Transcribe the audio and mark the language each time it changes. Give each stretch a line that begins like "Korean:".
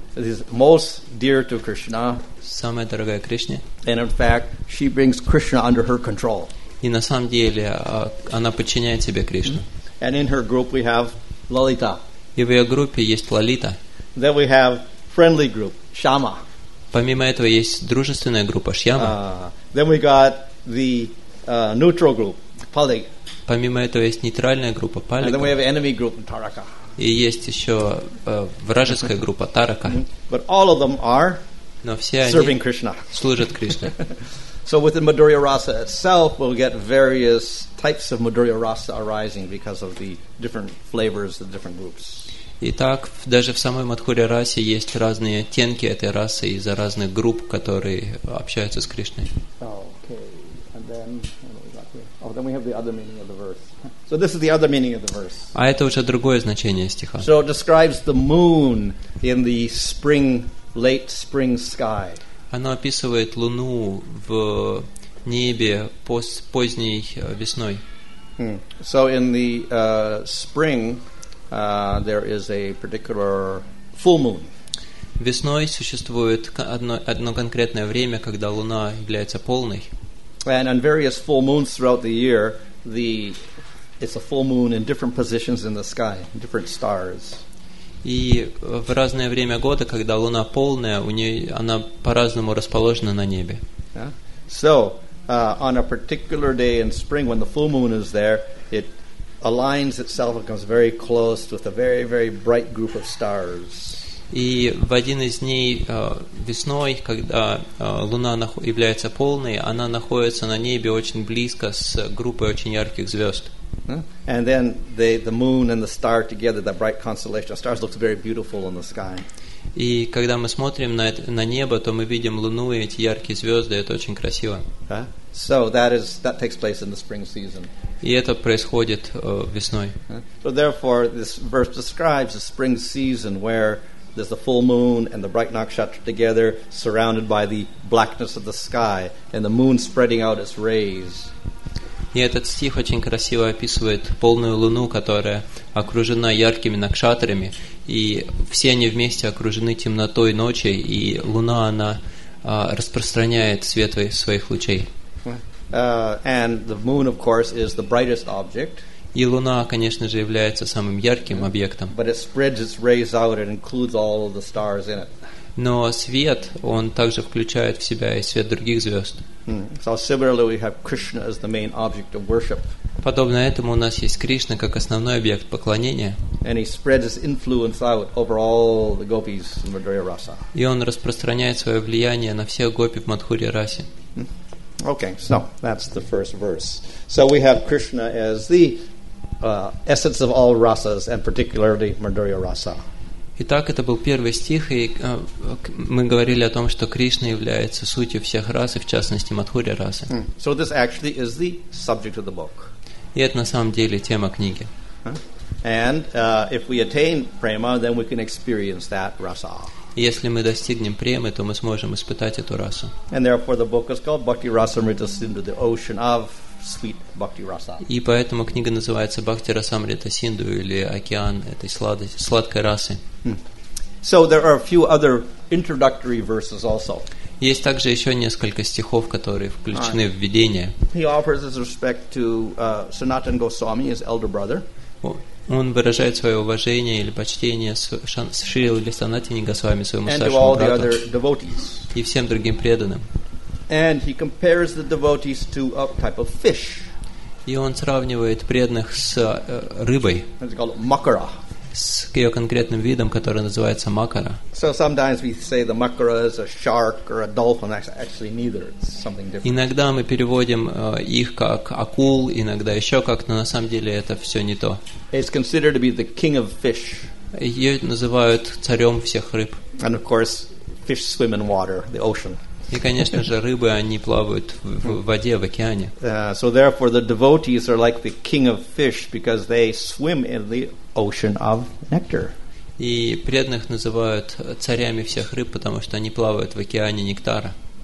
English: This is most dear to Krishna.
Russian: Самая дорогая Кришне.
English: And in fact, she brings Krishna under her control.
Russian: И на самом деле она подчиняет себе Кришну.
English: And in her group we have Lalita.
Russian: И в ее группе есть Лалита.
English: Then we have friendly group, Shyama.
Russian: Помимо этого есть дружественная группа Шьяма.
English: Then we got the neutral group, Pali.
Russian: Помимо этого есть нейтральная группа Пали.
English: And then we have enemy group, Тарака.
Russian: и есть еще вражеская группа Тарака.
English: But all of them are
Russian: Но все
English: serving
Russian: они
English: Krishna.
Russian: Служат Кришне.
English: So within Madhurya Rasa itself, we'll get various types of Madhurya Rasa arising because of the different flavors of the different groups.
Russian: Итак, даже в самой Мадхуре Расе есть разные оттенки этой расы из-за разных групп, которые общаются с Кришной.
English: Okay, and then oh, then we have the other meaning of the verse. So this is the other meaning of the verse.
Russian: А это уже другое значение стиха.
English: So it describes the moon in the spring, late spring sky.
Russian: Оно описывает луну в небе поздней весной.
English: So in the spring, there is a particular full moon.
Russian: Весной существует одно конкретное время, когда луна является полной.
English: And on various full moons throughout the year, it's a full moon in different positions in the sky, different stars.
Russian: И в разное время года, когда луна полная, у нее она по-разному расположена на небе.
English: So, on a particular day in spring, when the full moon is there, it aligns itself and comes very close with a very, very bright group of stars.
Russian: И в один из дней весной, когда луна является полной, она находится на небе очень близко с группой очень ярких звезд.
English: And then the moon and the star together, that bright constellation of stars, looks very beautiful in the sky.
Russian: И когда мы смотрим на небо, то мы видим луну и эти яркие звезды, это очень красиво.
English: So that takes place in the spring season.
Russian: И это происходит весной.
English: So therefore, this verse describes the spring season where there's the full moon and the bright nakshatra together, surrounded by the blackness of the sky, and the moon spreading out its rays.
Russian: И этот стих очень красиво описывает полную луну, которая окружена яркими накшатрами, и все они вместе окружены темнотой ночи, и луна, она распространяет свет своих лучей.
English: And the moon, of course, is the brightest object.
Russian: И луна, конечно же, является самым ярким объектом.
English: But it spreads its rays out and includes all of the stars in it.
Russian: Но свет, он также включает в себя и свет других звезд.
English: So similarly, we have Krishna as the main object of worship.
Russian: Подобно этому у нас есть Кришна как основной объект поклонения.
English: And he spreads his influence out over all the gopis in Madhurya Rasa.
Russian: И он распространяет свое влияние на всех гопи в Мадхуре Расе.
English: Okay, so that's the first verse. So we have Krishna as the essence of all rasas, and particularly Madhurya Rasa.
Russian: Итак, это был первый стих, и мы говорили о том, что Кришна является сутью всех рас, и в частности Мадхуре Расы.
English: So this actually is the subject of the book.
Russian: И это на самом деле тема книги.
English: And if we attain prema, then we can experience that rasa.
Russian: Если мы достигнем премы, то мы сможем испытать эту расу.
English: And therefore the book is called Bhakti Rasamrita Sindhu, the ocean of sweet Bhakti Rasa.
Russian: И поэтому книга называется Bhakti Rasamrita Sindhu, или океан этой сладкой расы.
English: So there are a few other introductory verses also.
Russian: Есть также еще несколько стихов, которые включены в введение.
English: He offers his respect to Sanatan Goswami, his elder brother.
Russian: Он выражает свое уважение или почтение Шрилы Санатини Госвами, своему
English: and
Russian: старшему
English: to all
Russian: брату,
English: the other
Russian: и всем другим преданным.
English: And he compares the devotees to a type of fish.
Russian: И он сравнивает преданных с рыбой.
English: It's called makara.
Russian: С ее конкретным видом, который называется макара.
English: So sometimes we say the makara is a shark or a dolphin. Actually, neither. It's something different.
Russian: Иногда мы переводим их как акул, иногда еще как, но на самом деле это все не то.
English: It's considered to be the king of fish.
Russian: Ее называют царем всех рыб.
English: And of course, fish swim in water, the ocean.
Russian: И конечно же рыбы они плавают в воде в океане.
English: So therefore, the devotees are like the king of fish because they swim in the ocean of nectar.
Russian: И преданных называют царями всех рыб, потому что они плавают в океане нектара.